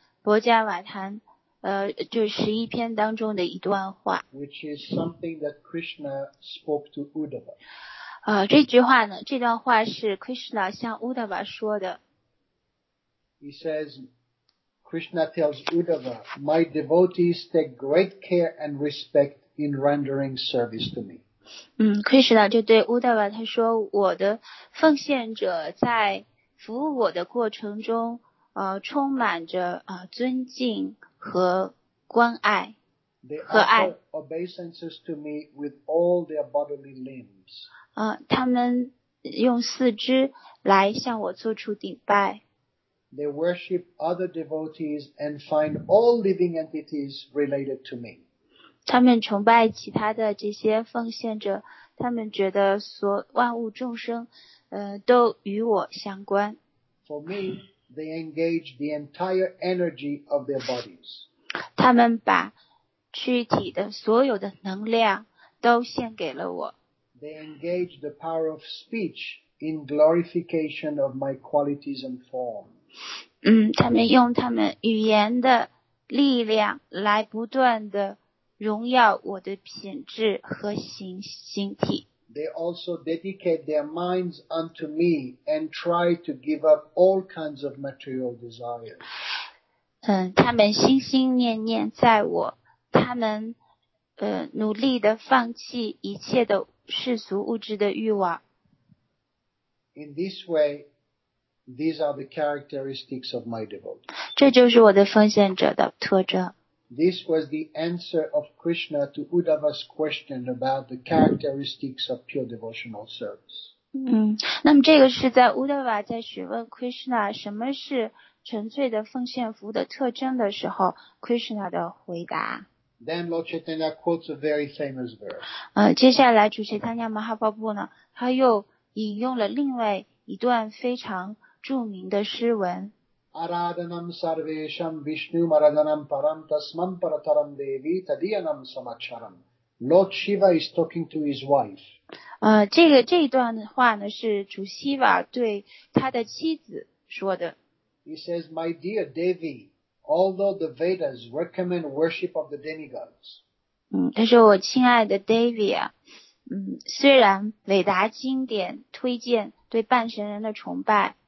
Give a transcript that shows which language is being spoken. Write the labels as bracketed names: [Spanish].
[Chinese] 薄伽瓦坛就是十一篇当中的一段话 [English] which is something that Krishna spoke to Uddhava. [Chinese] 这句话呢这段话是 Krishna 向 Uddhava 说的 [English] He says, Krishna tells Uddhava, My devotees take great care and respect in rendering service to me. [Chinese] Krishna 就对 Uddhava 他说我的奉献者在服务我的过程中充满着尊敬和关爱和爱 [English] They offer obeisances to me with all their bodily limbs. [Chinese] 他们用四肢来向我做出顶拜 [English] They worship other devotees and find all living entities related to me. [Chinese] 他们崇拜其他的这些奉献者他们觉得所万物众生都与我相关 [English] For me,They engage the entire energy of their bodies. [Chinese] 他们把躯体的所有的能量都献给了我。 [English] They engage the power of speech in glorification of my qualities and form. [Chinese] 他们用他们语言的力量来不断的荣耀我的品质和 形体。 [English] They also dedicate their minds unto me and try to give up all kinds of material desires. [Chinese] 他们心心念念在我，他们努力地放弃一切的世俗物质的欲望。 [English] In this way, these are the characteristics of my devotees. [Chinese] 这就是我的奉献者的特征。 [English] This was the answer of Krishna to Uddhava's question about the characteristics of pure devotional service. [Chinese] 那么这个是在 Uddhava 在询问 Krishna 什么是纯粹的奉献服务的特征的时候 ，Krishna 的回答。 [English] Then Lord Chaitanya quotes a very famous verse. [Chinese] 接下来主 Chaitanya Mahaprabhu 呢，他又引用了另外一段非常著名的诗文。 [Sanskrit] Aradhanam sarvesham Vishnu maradhanam param tasmam parataram devi tadiyanam samacharam. [English] Lord Shiva is talking to his wife. [Chinese] 这一段话呢是主 Shiva 对他的妻子说的。 [English] He says, "My dear Devi, although the Vedas recommend worship of the demigods." [Chinese] 他说我亲爱的 Devi 啊，虽然韦达经典推荐对半神人的崇拜。